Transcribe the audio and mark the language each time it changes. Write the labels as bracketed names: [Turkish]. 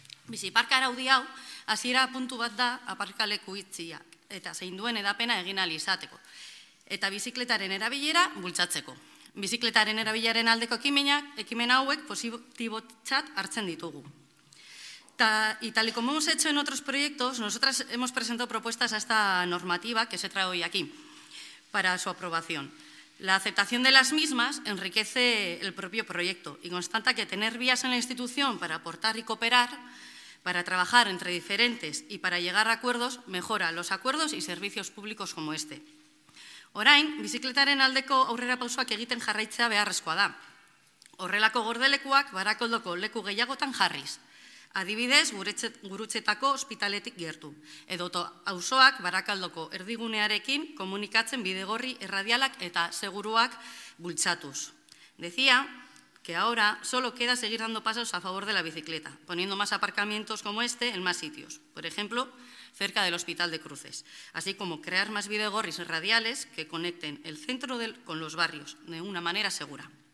[Basque] Biziparka araudi hau hasiera puntu bat da aparkaleku itzia eta zein duen edapena egin ahal izateko eta bizikletaren erabilera bultzatzeko. Bizikletaren erabilaren aldeko ekimen hauek positibotzat hartzen ditugu. [Spanish] Y tal y como hemos hecho en otros proyectos, nosotras hemos presentado propuestas a esta normativa que se trae hoy aquí para su aprobación. La aceptación de las mismas enriquece el propio proyecto y constata que tener vías en la institución para aportar y cooperar, para trabajar entre diferentes y para llegar a acuerdos, mejora los acuerdos y servicios públicos como este. [Basque] Orain, bizikletaren aldeko aurrera pausoak egiten jarraitzea beharrezkoa da. Horrelako gordelekuak Barakaldoko leku gehiagotan jarriz. Adibidez, gurutzetako ospitaletik gertu. Edoto auzoak Barakaldoko erdigunearekin komunikatzen bidegorri erradialak eta seguruak bultzatuz. [Spanish] Decía que ahora solo queda seguir dando pasos a favor de la bicicleta, poniendo más aparcamientos como este en más sitios, por ejemplo, cerca del Hospital de Cruces, así como crear más bidegorris radiales que conecten el centro con los barrios de una manera segura.